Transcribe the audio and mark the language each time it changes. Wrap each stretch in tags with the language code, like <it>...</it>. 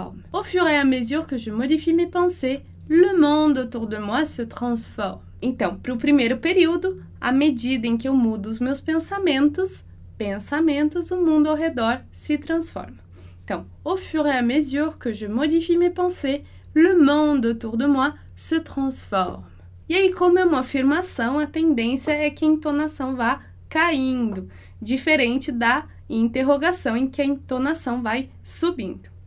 <fr>Au fur et à mesure que je modifie mes pensées, le monde autour de moi se transforme.</fr> <pt>Então, para o primeiro período, à medida em que eu mudo os meus pensamentos, o mundo ao redor se transforma.</pt> <fr>Então, au fur et à mesure que je modifie mes pensées, le monde autour de moi se transforme.</fr> <pt>E aí, como é uma afirmação, a tendência é que a entonação vá caindo, diferente da interrogação, em que a entonação vai subindo.</pt>